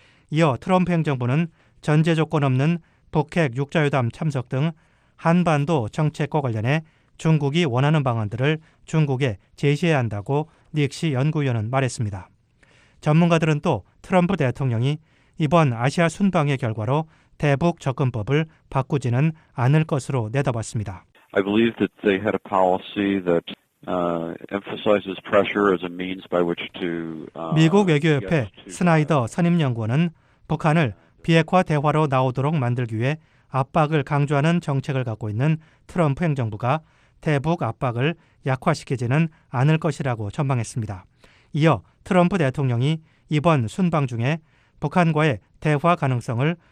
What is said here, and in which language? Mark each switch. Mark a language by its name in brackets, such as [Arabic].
[Korean] 이어 트럼프 행정부는 전제 조건 없는 북핵 육자회담 참석 등 한반도 정책과 관련해 중국이 원하는 방안들을 중국에 제시해야 한다고 닉시 연구위원은 말했습니다. 전문가들은 또 트럼프 대통령이 이번 아시아 순방의 결과로 대북 접근법을 바꾸지는 않을 것으로 내다봤습니다. [English] I believe that they had a policy that emphasizes pressure as a means by which to [Korean] 미국 외교협회 스나이더 선임연구원은 북한을 비핵화 대화로 나오도록 만들기 위해 압박을 강조하는 정책을 갖고 있는 트럼프 행정부가 대북 압박을 약화시키지는 않을 것이라고 전망했습니다. 이어 트럼프 대통령이 이번 순방 중에 북한과의 대화 가능성을